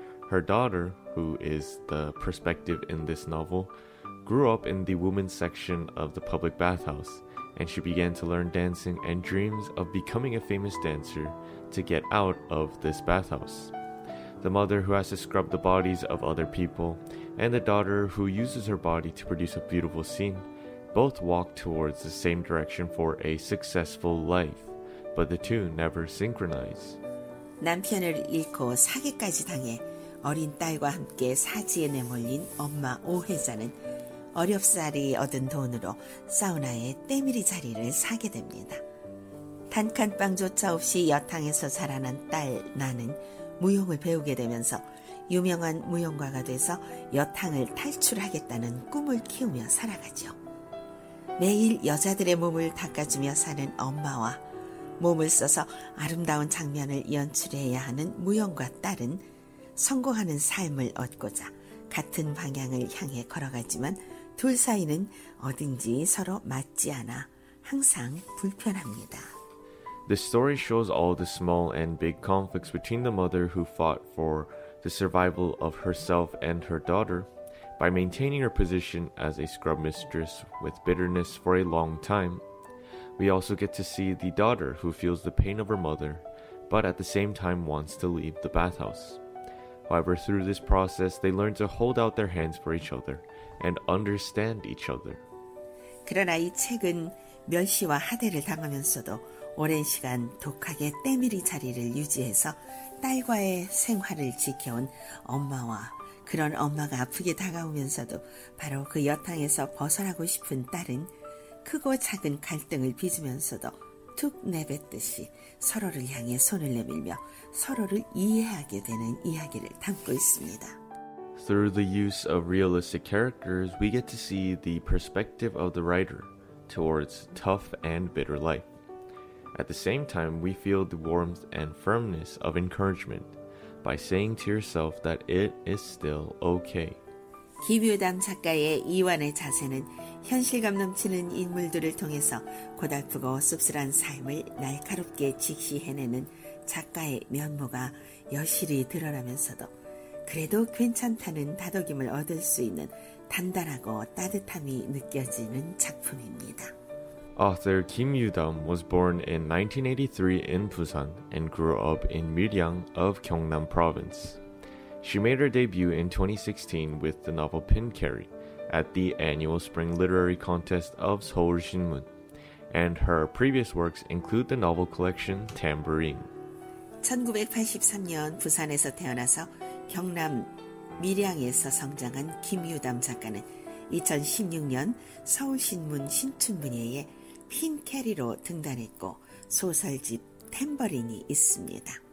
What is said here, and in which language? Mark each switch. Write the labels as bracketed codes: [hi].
[en] Her daughter, who is the perspective in this novel, grew up in the women's section of the public bathhouse, and she began to learn dancing and dreams of becoming a famous dancer to get out of this bathhouse. The mother who has to scrub the bodies of other people, and the daughter who uses her body to produce a beautiful scene, both walk towards the same direction for a successful life, but the two never synchronize. [ko] 남편을 잃고 사기까지 당해 어린 딸과 함께 사지에 내몰린 엄마 오혜자는 어렵사리 얻은 돈으로 사우나의 때밀이 자리를 사게 됩니다. 단칸방조차 없이 여탕에서 자라난 딸 나는 무용을 배우게 되면서 유명한 무용가가 돼서 여탕을 탈출하겠다는 꿈을 키우며 살아가죠. 매일 여자들의 몸을 닦아주며 사는 엄마와 몸을 써서 아름다운 장면을 연출해야 하는 무용가 딸은 성공하는 삶을 얻고자 같은 방향을 향해 걸어가지만 둘 사이는 어딘지 서로 맞지 않아 항상 불편합니다. [en] The story shows all the small and big conflicts between the mother who fought for the survival of herself and her daughter, By maintaining her position as a scrub mistress with bitterness for a long time, we also get to see the daughter who feels the pain of her mother, but at the same time wants to leave the bathhouse. However, through this process, they learn to hold out their hands for each other and understand each other. [ko] 그러나 이 책은 멸시와 하대를 당하면서도 오랜 시간 독하게 때밀이 자리를 유지해서 딸과의 생활을 지켜온 엄마와 그런 엄마가 아프게 다가오면서도 바로 그 여탕에서 벗어나고 싶은 딸은 크고 작은 갈등을 빚으면서도 툭 내뱉듯이 서로를 향해 손을 내밀며 서로를 이해하게 되는 이야기를 담고 있습니다. [en] Through the use of realistic characters, we get to see the perspective of the writer towards tough and bitter life. At the same time, we feel the warmth and firmness of encouragement by saying to yourself that it is still okay. [ko] 김유담 작가의 이완의 자세는 현실감 넘치는 인물들을 통해서 고달프고 씁쓸한 삶을 날카롭게 직시해내는 작가의 면모가 여실히 드러나면서도 그래도 괜찮다는 다독임을 얻을 수 있는 단단하고 따뜻함이 느껴지는 작품입니다. [en] Author Kim Yu-dam was born in 1983 in Busan and grew up in Miryang of Gyeongnam Province. She made her debut in 2016 with the novel Pin Carry at the annual Spring Literary Contest of Seoul Shinmun, and her previous works include the novel collection Tambourine. [ko] 1983년 부산에서 태어나서 경남 밀양에서 성장한 김유담 작가는 2016년 서울신문 신춘문예에 핀캐리로 등단했고 소설집 탬버린이 있습니다.